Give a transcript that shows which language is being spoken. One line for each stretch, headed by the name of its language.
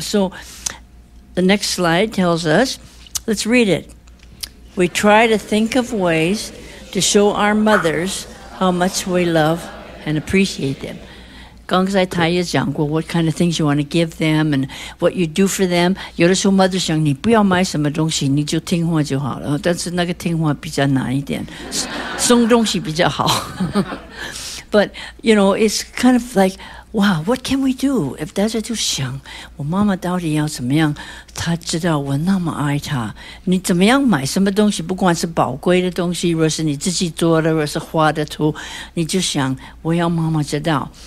English: So the next slide tells us, let's read it. We try to think of ways to show our mothers how much we love and appreciate them.
Chinese: 刚才他也讲过
English: what kind of things you want to give them and what you do for them.
Chinese: 有的时候 mothers 想你不要买什么东西，你就听话就好了。但是那个听话比较难一点，送东西比较好。
English: But, you know, it's kind of like, wow, what can we do?
Chinese: If 大家就想,我妈妈到底要怎么样,她知道我那么爱她。你怎么样买什么东西,不管是宝贵的东西,若是你自己做的,若是花的图,你就想,我要妈妈知道。